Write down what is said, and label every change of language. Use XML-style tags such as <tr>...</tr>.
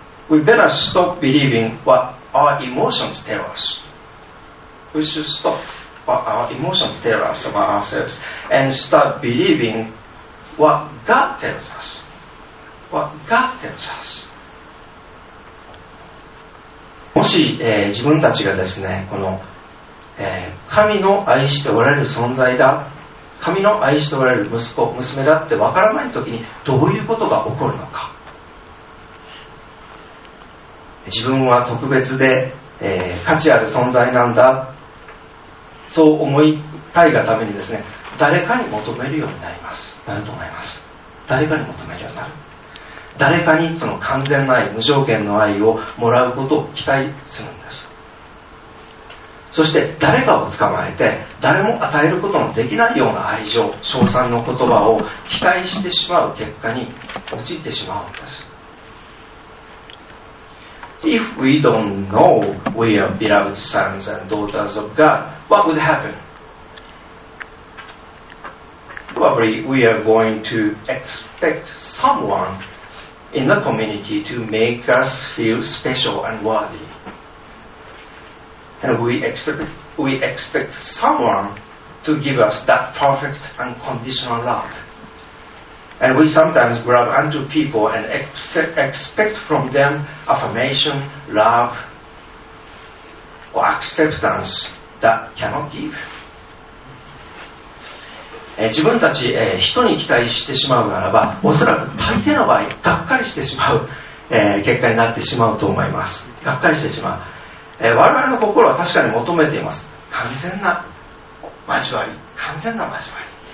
<en>We better stop believing whatOur emotions tell us. We should stop what our emotions tell us about ourselves and start believing what God tells us. What God tells us.</en> <ja>もし、自分たちがですね、この、神の愛しておられる存在だ、神の愛しておられる息子、娘だってわからないときにどういうことが起こるのか。自分は特別で、価値ある存在なんだ、そう思いたいがためにですね、誰かに求めるようになります。なると思います。誰かに求めるようになる。誰かにその完全な愛、無条件の愛をもらうことを期待するんです。そして誰かを捕まえて、誰も与えることのできないような愛情、称賛の言葉を期待してしまう結果に陥ってしまうんです。</ja> <en>If we don't know we are beloved sons and daughters of God, what would happen? Probably we are going to expect someone in the community to make us feel special and worthy. And we expect someone to give us that perfect unconditional love. And we sometimes grab onto people and expect from them affirmation, love, or acceptance that cannot give.</en> <ja>自分たち、人に期待してしまうならば、おそらく大抵の場合、がっかりしてしまう、結果になってしまうと思います。がっかりしてしまう。我々の心は確かに求めています。完全な交わり、完全な交わり。</ja>